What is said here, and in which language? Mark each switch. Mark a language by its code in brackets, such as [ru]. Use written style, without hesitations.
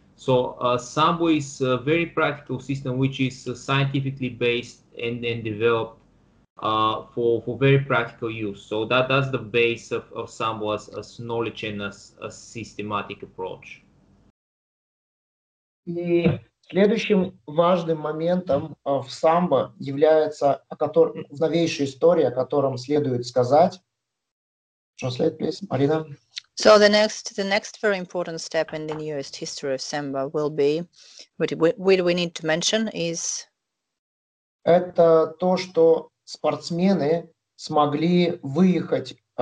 [en] So Sambo is a very practical system which is scientifically based and developed for very practical use. So that's the base of Sambo as knowledge and as a systematic approach. [ru] Следующим важным моментом в самбо является, в новейшей истории, о котором следует сказать. [en] Translate, please, Marina. So the next very important step in the newest history of samba will be, what we need to mention is... [ru] Это то, что спортсмены смогли выехать